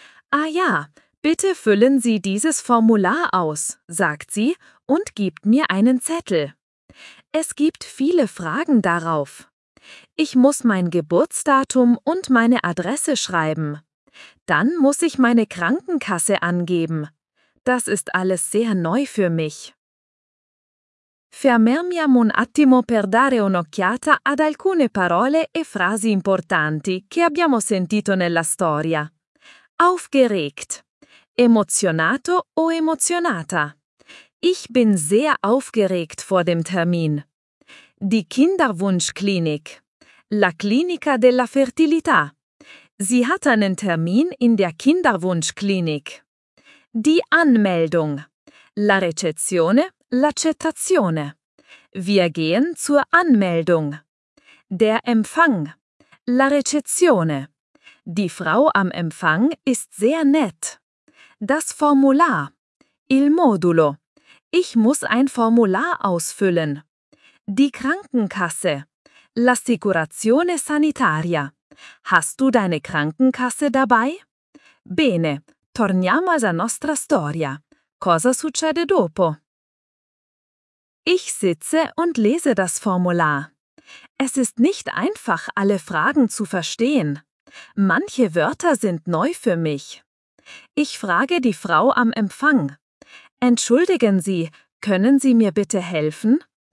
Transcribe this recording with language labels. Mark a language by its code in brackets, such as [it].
[de] Ah ja, bitte füllen Sie dieses Formular aus, sagt sie und gibt mir einen Zettel. Es gibt viele Fragen darauf. Ich muss mein Geburtsdatum und meine Adresse schreiben. Dann muss ich meine Krankenkasse angeben. Das ist alles sehr neu für mich. [it] Fermiamo un attimo per dare un'occhiata ad alcune parole e frasi importanti che abbiamo sentito nella storia. [de] Aufgeregt. [it] Emozionato o emozionata. [de] Ich bin sehr aufgeregt vor dem Termin. Die Kinderwunschklinik. [it] La clinica della fertilità. [de] Sie hat einen Termin in der Kinderwunschklinik. Die Anmeldung. [it] La recezione. L'accettazione. [de] Wir gehen zur Anmeldung. Der Empfang. [it] La recezione. [de] Die Frau am Empfang ist sehr nett. Das Formular. [it] Il modulo. [de] Ich muss ein Formular ausfüllen. Die Krankenkasse. [it] L'assicurazione sanitaria. [de] Hast du deine Krankenkasse dabei? [it] Bene, torniamo alla nostra storia. Cosa succede dopo? [de] Ich sitze und lese das Formular. Es ist nicht einfach, alle Fragen zu verstehen. Manche Wörter sind neu für mich. Ich frage die Frau am Empfang. Entschuldigen Sie, können Sie mir bitte helfen?